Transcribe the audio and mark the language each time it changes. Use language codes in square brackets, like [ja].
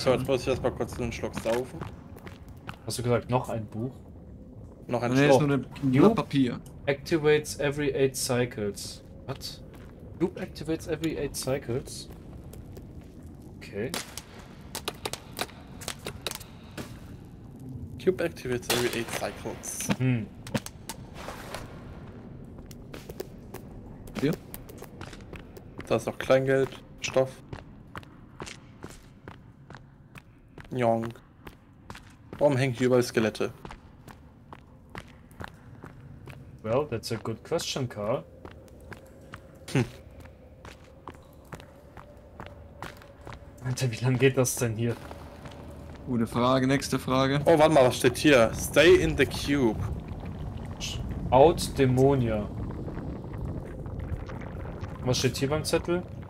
[de] So, jetzt muss ich erstmal kurz einen Schluck saufen. Hast du gesagt, noch ein Buch? Noch ein Schluck. Nee, ist nur ein Blatt Papier. [en] Activates every 8 cycles. What? Loop activates every 8 cycles? Okay. Cube activates every 8 cycles. [de] Hm. Hier? Da ist noch Kleingeld. Stoff. Njong. Warum hängt hier überall Skelette? [en] Well, that's a good question, Carl. Hm. [de] Alter, wie lange geht das denn hier? Gute Frage, nächste Frage. Oh, warte mal, was steht hier? [en] Stay in the cube. Out Demonia. [de] Was steht hier beim Zettel?